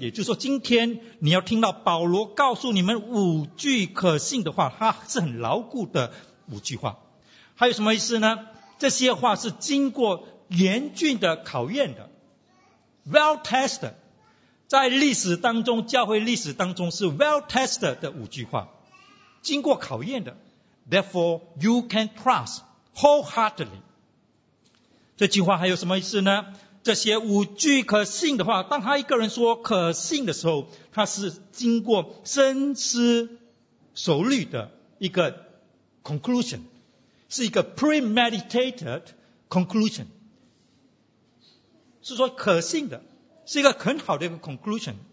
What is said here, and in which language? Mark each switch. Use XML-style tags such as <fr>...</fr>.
<zh>也就是说今天你要听到保罗告诉你们五句可信的话，它是很牢固的五句话。还有什么意思呢？这些话是经过严峻的考验的，</zh> <en>well tested，</en> <zh>在历史当中，教会历史当中是 well tested 的五句话，经过考验的。</zh> <en>Therefore, you can trust wholeheartedly.</en> <zh>这句话还有什么意思呢？这些五句可信的话，当他一个人说可信的时候，他是经过深思熟虑的一个 conclusion， 是一个</zh> <en>premeditated conclusion，</en> <zh>是说可信的，是一个很好的一个 conclusion。</zh>